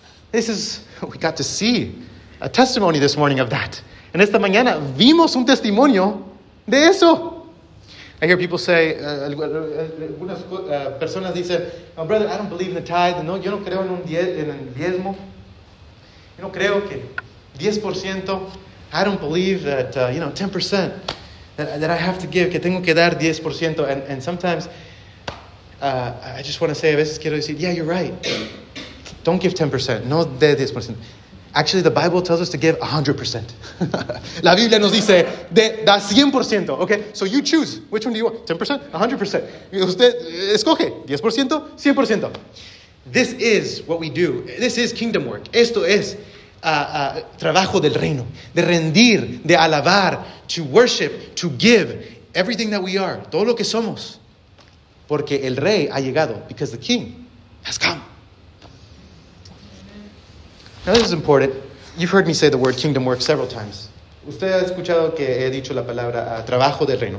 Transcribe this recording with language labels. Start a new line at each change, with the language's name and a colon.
English: This is, we got to see a testimony this morning of that.
Spanish: En esta mañana, vimos un testimonio de eso.
English: I hear people say,
Spanish: personas dicen,
English: oh, brother, I don't believe in the tithe.
Spanish: No, yo no creo en un diezmo. Yo no creo que 10%.
English: I don't believe that, 10%. That I have to give,
Spanish: que tengo que dar 10%.
English: And sometimes, I just want to say,
Spanish: a veces quiero decir,
English: yeah, you're right. Don't give 10%.
Spanish: No de 10%.
English: Actually, the Bible tells us to give 100%.
Spanish: La Biblia nos dice, da 100%.
English: Okay, so you choose. Which one do you want? 10%? 100%.
Spanish: Usted escoge.
English: 10%? 100%. This is what we do. This is kingdom work.
Spanish: Esto es trabajo del reino. De rendir, de alabar,
English: to worship, to give everything that we are.
Spanish: Todo lo que somos. Porque el rey ha llegado.
English: Because the king has come. Now this is important. You've heard me say the word kingdom work several times.
Spanish: Usted ha escuchado que he dicho la palabra trabajo del reino.